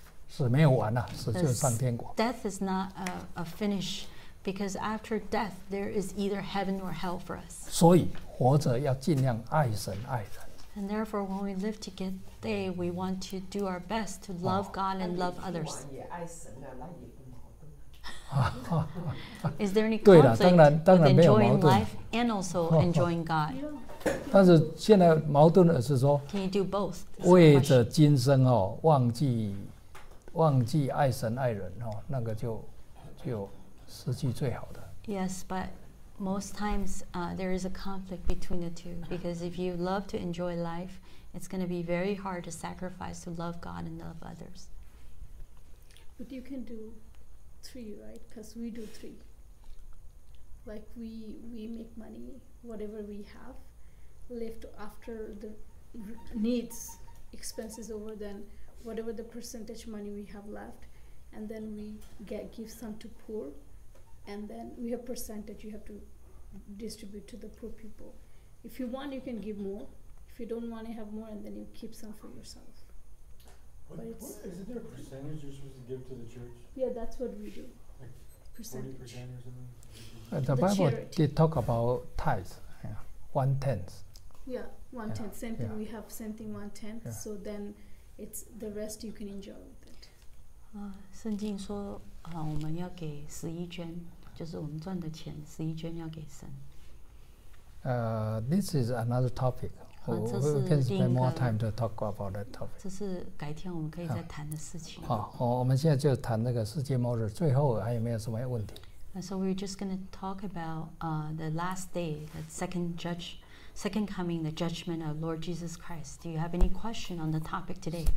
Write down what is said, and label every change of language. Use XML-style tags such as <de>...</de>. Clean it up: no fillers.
<zh>死没有完呐，死就是上天国。</zh> <en>Death is not a finish, because after death there is either heaven or hell for us.</en> <zh>所以活着要尽量爱神爱人。</zh> <en>And therefore, when we live to get day, we want to do our best to love God and love others.</en> <zh>也爱神啊，那也不矛盾。</zh> <en>Is there any conflict with enjoying life and also enjoying God?</en> <zh>但是现在矛盾的是说，</zh> <en>Can you do both?</en> <zh>为着今生哦，忘记爱神爱人哦，那个就失去最好的。</zh> <en>Yes, but most times there is a conflict between the two, because if you love to enjoy life, it's going to be very hard to sacrifice to love God and love others. But you can do three, right? Because we do three. Like we make money, whatever we have, left after the needs, expenses over, then whatever the percentage money we have left, and then we give some to poor, and then we have percentage you have to distribute to the poor people. If you want, you can give more. If you don't want to have more, and then you keep some for yourself. Isn't there a percentage you're supposed to give to the church? Yeah, that's what we do. Like percentage. 40% or something? The Bible did talk about tithes, yeah. One-tenth. Yeah, one-tenth, yeah. Same thing, yeah. We have same thing, one-tenth, yeah. So then it's the rest you can enjoy with it.</en> <zh>圣经说, 我们要给十一捐, 就是我们赚的钱, 十一捐要给神。</zh> <en>This is another topic. We can spend more time to talk about that topic.</en> <zh>这是改天我们可以再谈的事情。好,我们现在就谈那个世界末日,最后还有没有什么问题?</zh> <en>So we're just going to talk about the last day, the second coming, the judgment of Lord Jesus Christ. Do you have any question on the topic today?</en>